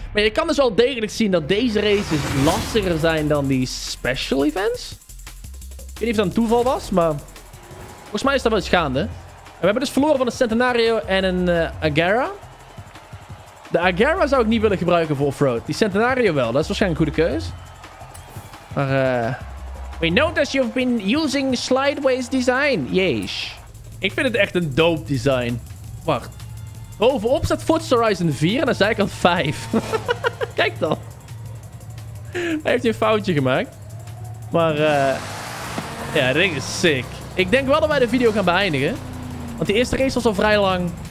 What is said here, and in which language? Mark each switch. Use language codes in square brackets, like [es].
[nl] Maar je kan dus wel degelijk zien dat deze races lastiger zijn dan die special events. Ik weet niet of dat een toeval was, maar volgens mij is dat wel eens gaande. En we hebben dus verloren van een Centenario en een Agera. De Agera zou ik niet willen gebruiken voor offroad. Die Centenario wel, dat is waarschijnlijk een goede keus. [en] Maar, we notice you've been using slideways design. Yes. [nl] Ik vind het echt een dope design. Wacht. Bovenop staat Forza Horizon 4 en aan de zijkant 5. Kijk dan. Hij heeft een foutje gemaakt. Maar, ja, dit ding is sick. Ik denk wel dat wij de video gaan beëindigen. Want die eerste race was al vrij lang.